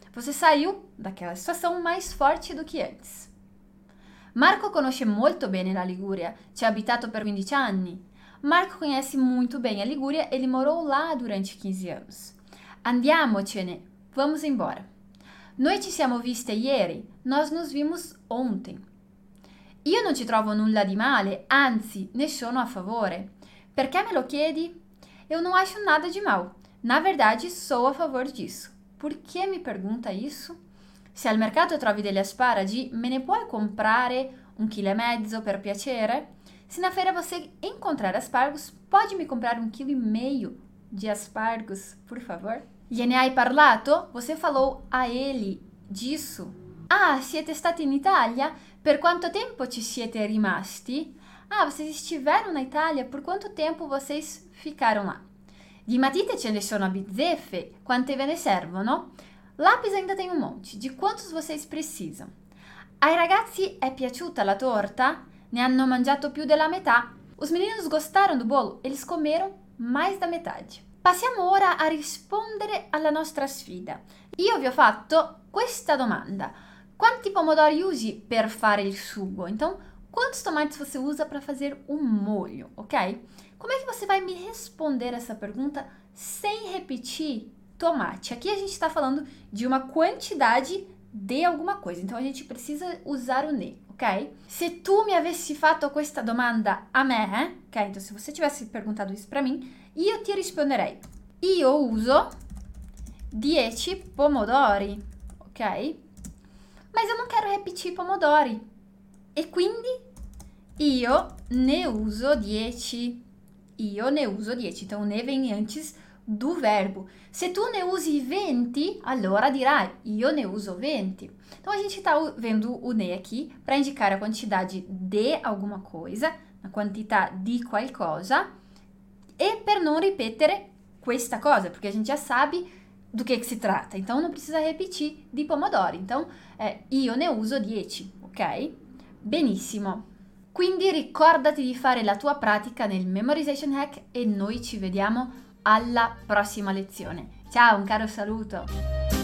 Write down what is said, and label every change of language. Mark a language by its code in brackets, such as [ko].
[pt] Você saiu daquela situação mais forte do que antes. [it] Marco conosce molto bene la Liguria, ci ha abitato per 15 anni. [pt] Marco conhece muito bem a Liguria, ele morou lá durante 15 anos. [it] Andiamocene, [pt] vamos embora. [it] Noi ci siamo viste ieri, [pt] nós nos vimos ontem. [it] Io non ci trovo nulla di male, anzi, ne sono a favore. Perché me lo chiedi? [pt] Eu não acho nada de mal. Na verdade, sou a favor disso. Por que me pergunta isso? [it] Se al mercato trovi degli asparagi, me ne puoi comprare un chilo e mezzo per piacere? [pt] Se na feira você encontrar aspargos, pode me comprar 1,5 kg de aspargos, por favor? [it] Gliene hai parlato? [pt] Você falou a ele disso? [it] Ah, siete stati in Italia? Per quanto tempo ci siete rimasti? [pt] Ah, vocês estiveram na Itália? Por quanto tempo vocês ficaram lá? [it] Di matite ce ne sono a bizzeffe, quante ve ne servono? [pt] Lápis ainda tem um monte, de quantos vocês precisam? [it] Ai ragazzi è piaciuta la torta? Ne hanno mangiato più della metà. [pt] Os meninos gostaram do bolo? Eles comeram mais da metade. [it] Passiamo ora a rispondere alla nostra sfida. Io vi ho fatto questa domanda. Quanti pomodori usi per fare il sugo? [pt] Então, quantos tomates você usa para fazer o molho, ok? Como é que você vai me responder essa pergunta sem repetir tomate? Aqui a gente está falando de uma quantidade de alguma coisa, então a gente precisa usar o ne, ok? [it] Se tu mi avessi fatto questa domanda a me, ok? [pt] Então, se você tivesse perguntado isso pra mim, [it] io ti risponderei. Io uso 10 pomodori, ok? [pt] Mas eu não quero repetir pomodori. [it] E quindi io ne uso 10. Io ne uso 10. [pt] Então, ne vem antes do verbo. [it] Se tu ne usi 20, allora dirai io ne uso 20. [pt] Então, a gente está vendo o ne aqui para indicar a quantidade de alguma coisa, [it] a quantità di qualcosa, e per non ripetere questa cosa, [pt] porque a gente já sabe do que [it] si tratta. [pt] Então, não precisa repetir di pomodori. Então, [it] io ne uso 10, [pt] ok? [it] Benissimo. Quindi ricordati di fare la tua pratica nel Memorization Hack e noi ci vediamo alla prossima lezione. Ciao, un caro saluto!